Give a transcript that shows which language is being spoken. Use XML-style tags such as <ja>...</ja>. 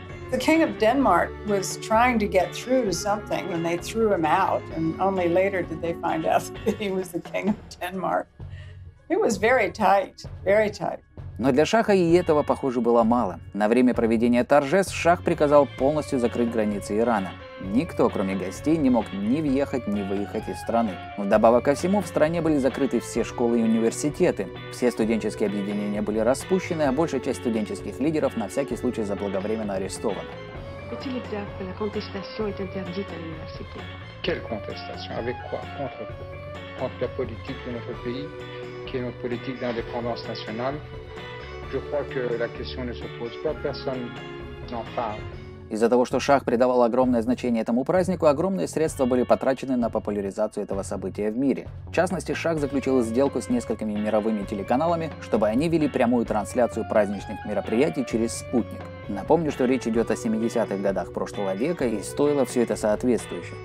<en>The king of Denmark was trying to get through to something and they threw him out, and only later did they find out that he was the king of Denmark. It was very tight, very tight.</en> <ru>Но для шаха и этого, похоже, было мало. На время проведения торжеств шах приказал полностью закрыть границы Ирана. Никто, кроме гостей, не мог ни въехать, ни выехать из страны. Вдобавок ко всему, в стране были закрыты все школы и университеты. Все студенческие объединения были распущены, а большая часть студенческих лидеров на всякий случай заблаговременно арестована.</ru> <fr>Est-il exact que la contestation est interdite à l'université? Quelle contestation? Avec quoi? Contre quoi? Contre la politique de notre pays, qui est notre politique d'indépendance nationale? Je crois que la question ne se pose pas, personne n'en parle.</fr> <ru>Из-за того, что шах придавал огромное значение этому празднику, огромные средства были потрачены на популяризацию этого события в мире. В частности, шах заключил сделку с несколькими мировыми телеканалами, чтобы они вели прямую трансляцию праздничных мероприятий через спутник. Напомню, что речь идет о 70-х годах прошлого века, и стоило все это соответствующе.</ru>